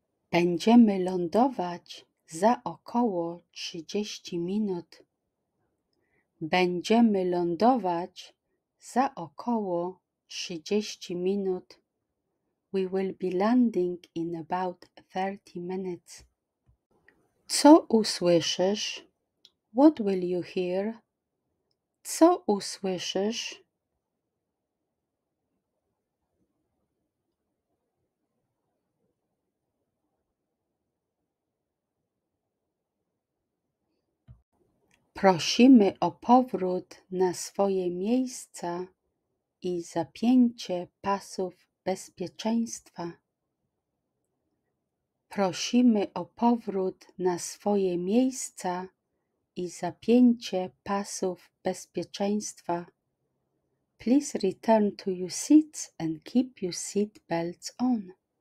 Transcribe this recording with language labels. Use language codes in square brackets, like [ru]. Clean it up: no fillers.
[pl] Będziemy lądować za około 30 minut. Będziemy lądować za około 30 minut. [en] We will be landing in about 30 minutes. [pl] Co usłyszysz? [en] What will you hear? [pl] Co usłyszysz? Prosimy o powrót na swoje miejsca i zapięcie pasów bezpieczeństwa. Prosimy o powrót na swoje miejsca i zapięcie pasów bezpieczeństwa. [en] Please return to your seats and keep your seat belts on.